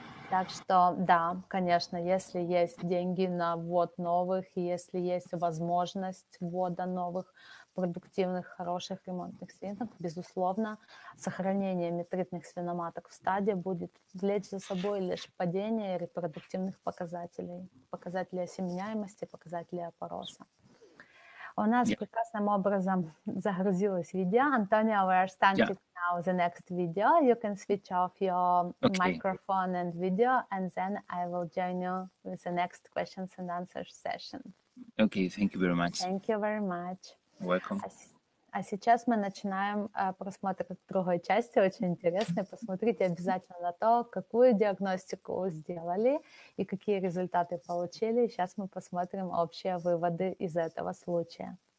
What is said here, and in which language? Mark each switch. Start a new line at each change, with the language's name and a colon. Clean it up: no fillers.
Russian: Так что, да, конечно, если есть деньги на ввод новых, если есть возможность ввода новых продуктивных, хороших ремонтных свинок, безусловно, сохранение метритных свиноматок в стаде будет влечь за собой лишь падение репродуктивных показателей, показателей осеменяемости, показателей опороса. У нас прекрасным образом загрузилось видео.
English: Антонио, we are starting now the next video. You can switch off your microphone and video, and then I will join you with the next questions and answers session. Okay, thank you very much. Thank you very much. Welcome.
Russian: А сейчас мы начинаем просмотр другой части, очень интересной. Посмотрите обязательно на то, какую диагностику сделали и какие результаты получили. Сейчас мы посмотрим общие выводы из этого случая.